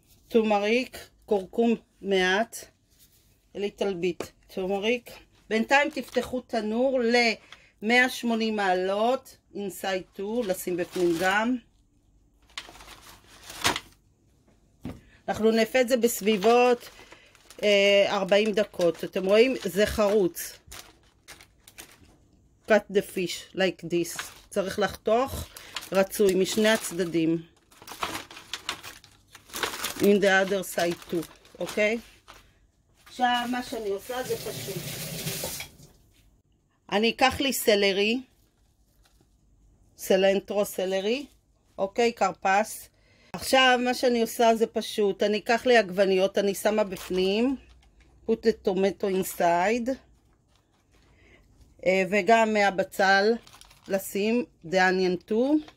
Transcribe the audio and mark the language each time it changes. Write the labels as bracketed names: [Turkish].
[Hebrew] turmeric, קורקום מעט, [English] a little bit turmeric, [Hebrew] בינתיים תפתחו תנור ל-180 מעלות, [English] inside two, [Hebrew] לשים בפנים גם, אנחנו נפה את זה בסביבות 40 דקות, אתם רואים? זה חרוץ. [English] cut the fish like this. [Hebrew] צריך לחתוך רצוי משני הצדדים. [English] in the other side too, אוקיי? [Hebrew] עכשיו מה שאני עושה זה פשוט. אני אקח לי סלרי, סלנטרו סלרי, אוקיי? קרפס. עכשיו מה שאני עושה זה פשוט, אני אקח לי עגבניות, אני שמה בפנים, [English] put the tomato inside, [Hebrew] וגם מהבצל לשים, [English] the onion too.